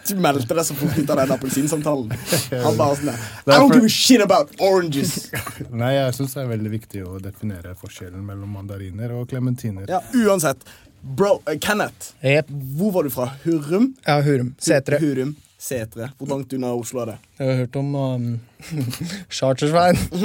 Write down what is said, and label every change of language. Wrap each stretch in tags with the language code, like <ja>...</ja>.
<no>Du meldte deg så fort av den apelsinsamtalen. Han bare sånn der,</no> <en>I don't give a shit about oranges.</en> <no>Nei, jeg synes det veldig viktig å definere forskjellen mellom mandariner og clementiner. Ja, uansett. Bro, Kenneth, yep. Hvor var du fra? Hurum? Ja, Hurum, Setre. Hurum, Setre. Hvor langt unna Oslo det? Jeg har hørt om Chartersveien.</no>